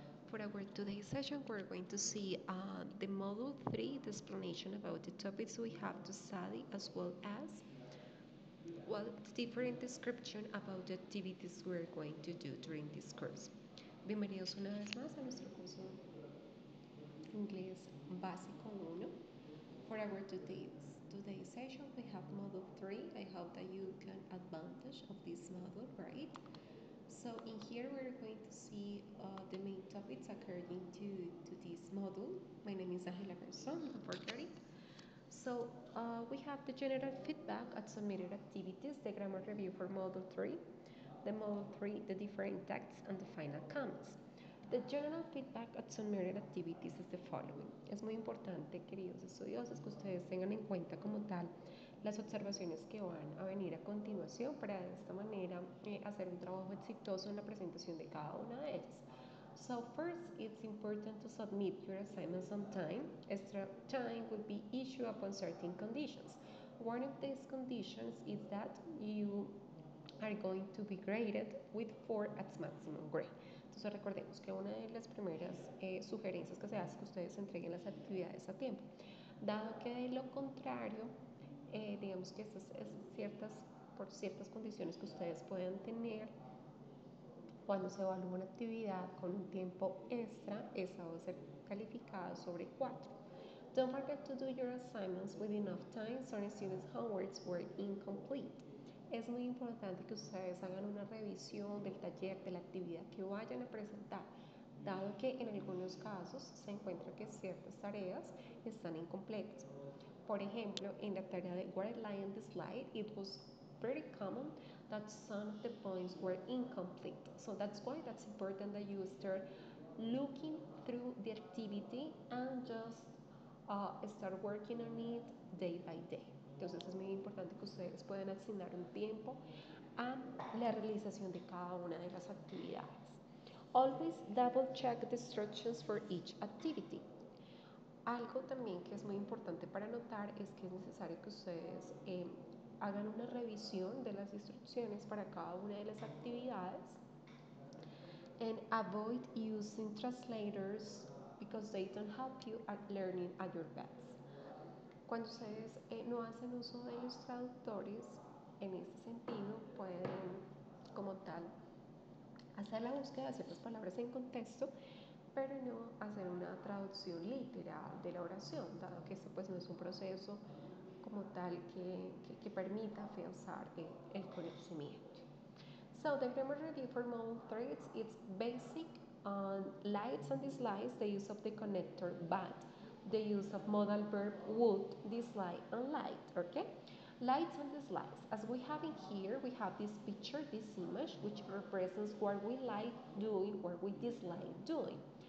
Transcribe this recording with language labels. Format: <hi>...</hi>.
<en>For our today's session, we're going to see the module 3, the explanation about the topics we have to study, as well as the different description about the activities we're going to do during this course.</en> <es>Bienvenidos una vez más a nuestro curso inglés básico 1.</es> <en>For our today's session, we have module 3. I hope that you can advantage of this module, right? So in here, we're going to see the main topics according to this module. My name is Angela Garzón, I'm 430. So we have the general feedback at submitted activities, the grammar review for module 3, the module 3, the different texts, and the final comments. The general feedback at submitted activities is the following.</en> <es>Es muy importante, queridos estudiosos, que ustedes tengan en cuenta como tal las observaciones que van a venir a continuación para de esta manera hacer un trabajo exitoso en la presentación de cada una de ellas.</es> <en>So first, it's important to submit your assignments on time. Extra time will be issued upon certain conditions. One of these conditions is that you are going to be graded with 4 at maximum grade.</en> <es>Entonces recordemos que una de las primeras sugerencias que se hace es que ustedes entreguen las actividades a tiempo. Dado que de lo contrario, digamos que estas ciertas condiciones que ustedes puedan tener cuando se evalúa una actividad con un tiempo extra, esa va a ser calificada sobre 4.</es> <en>Don't forget to do your assignments with enough time so the students' homeworks were incomplete.</en> <es>Es muy importante que ustedes hagan una revisión del taller, de la actividad que vayan a presentar, dado que en algunos casos se encuentra que ciertas tareas están incompletas. Por ejemplo, en la tarea de</es> <en>Where Lie on the Slide, it was pretty common that some of the points were incomplete. So that's why that's important that you start looking through the activity and just start working on it day by day.</en> <es>Entonces es muy importante que ustedes puedan asignar un tiempo a la realización de cada una de las actividades.</es> <en>Always double check the instructions for each activity.</en> <es>Algo también que es muy importante para notar es que es necesario que ustedes hagan una revisión de las instrucciones para cada una de las actividades.</es> <en>And avoid using translators because they don't help you at learning at your best.</en> <es>Cuando ustedes no hacen uso de los traductores, en este sentido, pueden, como tal, hacer la búsqueda de ciertas palabras en contexto, pero no hacer una traducción literal de la oración, dado que este pues, no es un proceso como tal que permita afianzar el conocimiento.</es> <en>So, the grammar review for module 3, it's basic on likes and dislikes, the use of the connector but. The use of modal verb would, dislike, and light, okay? Lights and dislikes. As we have in here, we have this picture, this image, which represents what we like doing, what we dislike doing.</en>